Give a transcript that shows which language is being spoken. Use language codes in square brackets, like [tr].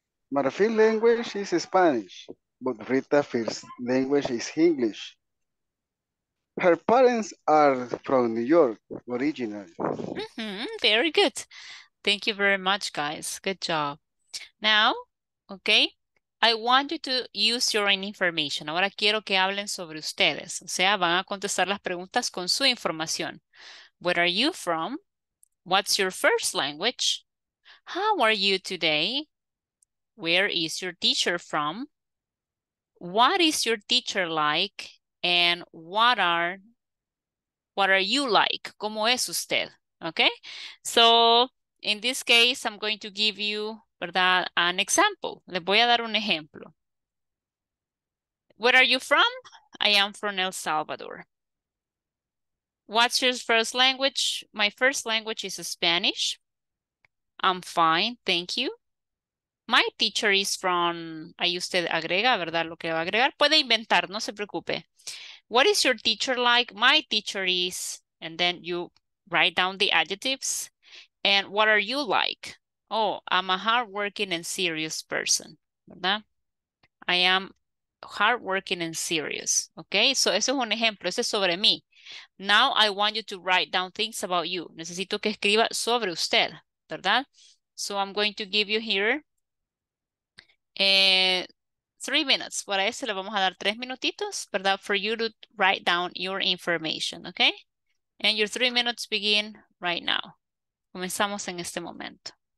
[en] My first language is Spanish, but Rita's first language is English. Her parents are from New York, originally. Mm-hmm, very good. Thank you very much, guys. Good job. Now, okay, I want you to use your own information. [es] Ahora quiero que hablen sobre ustedes. O sea, van a contestar las preguntas con su información. [en] Where are you from? What's your first language? How are you today? Where is your teacher from? What is your teacher like? And what are you like? [es] ¿Cómo es usted? [en] Okay? So, in this case, I'm going to give you, ¿verdad? An example. [es] Le voy a dar un ejemplo. [en] Where are you from? I am from El Salvador. What's your first language? My first language is Spanish. I'm fine, thank you. My teacher is from, [es] ahí usted agrega, [en] ¿verdad? [es] Lo que va a agregar. Puede inventar, no se preocupe. [en] What is your teacher like? My teacher is, and then you write down the adjectives. And what are you like? Oh, I'm a hardworking and serious person, ¿verdad? I am hardworking and serious, okay? [es] So, eso es un ejemplo, eso es sobre mí. [en] Now, I want you to write down things about you. [es] Necesito que escriba sobre usted, ¿verdad? [en] So, I'm going to give you here 3 minutes. [es] Para eso le vamos a dar 3 minutitos, ¿verdad? [en] For you to write down your information, okay? And your 3 minutes begin right now. [es] Comenzamos en este momento.